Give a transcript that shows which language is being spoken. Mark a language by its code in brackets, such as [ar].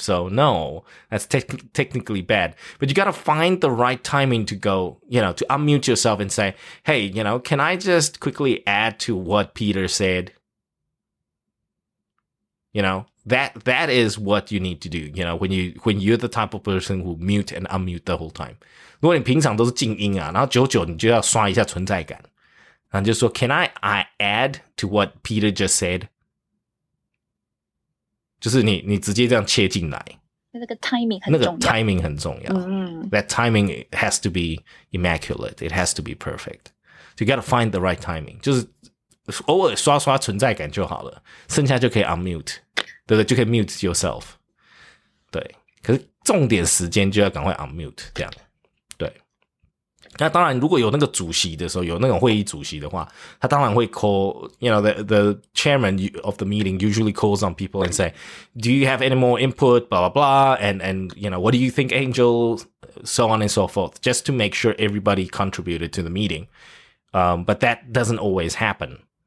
[en] So no, that's technically bad. But you got to find the right timing to go, you know, to unmute yourself and say, hey, you know, can I just quickly add to what Peter said? You know, that is what you need to do. You know, when you're the type of person who mute and unmute the whole time. [zh] 如果你平常都是静音啊，然后久久你就要刷一下存在感，然后就说 [en] can I add to what Peter just said? [zh] 就是你直接这样切进来，那个 timing 很重要。 [en] That timing has to be immaculate. It has to be perfect. So you gotta find the right timing. [zh] 就是偶尔刷刷存在感就好了，剩下就可以 unmute， 对不对？就可以 [en] mute yourself。 [zh] 对，可是重点时间就要赶快 unmute 这样。对，那当然，如果有那个主席的时候，有那种会议主席的话，他当然会 call， [en] you know, the chairman of the meeting usually calls on people and say, do you have any more input, blah, blah, blah, and you know, what do you think, Angel, so on and so forth, just to make sure everybody contributed to the meeting. But that doesn't always happen.